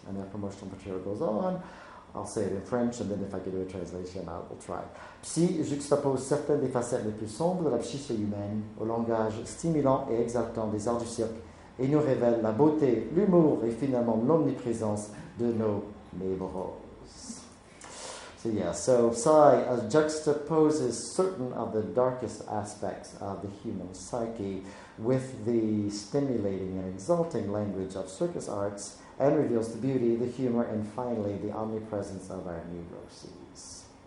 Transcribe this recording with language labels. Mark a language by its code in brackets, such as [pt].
[en] And their promotional material goes on. I'll say it in French, and then if I can do a translation, I will try. [fr] Psy juxtapose certaines des facettes les plus sombres de la psyché humaine au langage stimulant et exaltant des arts du cirque et nous révèle la beauté, l'humour et finalement l'omniprésence de nos névroses. [en] So Psy juxtaposes certain of the darkest aspects of the human psyche with the stimulating and exalting language of circus arts and reveals the beauty, the humor, and finally, the omnipresence of our neuroses.